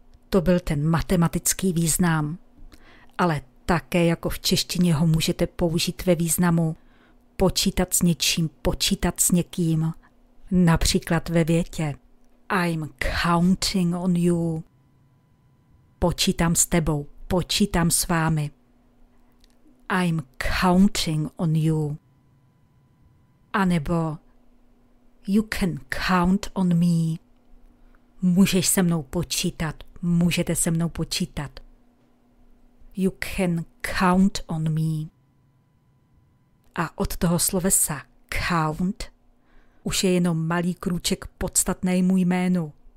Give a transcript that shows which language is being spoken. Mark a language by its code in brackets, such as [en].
[cs] To byl ten matematický význam. Ale také jako v češtině ho můžete použít ve významu počítat s něčím, počítat s někým. Například ve větě [en] I'm counting on you. [cs] Počítám s tebou, počítám s vámi. [en] I'm counting on you. [cs] A nebo [en] you can count on me. [cs] Můžeš se mnou počítat, můžete se mnou počítat. [en] You can count on me. [cs] A od toho slovesa count už je jenom malý krůček podstatnému jménu.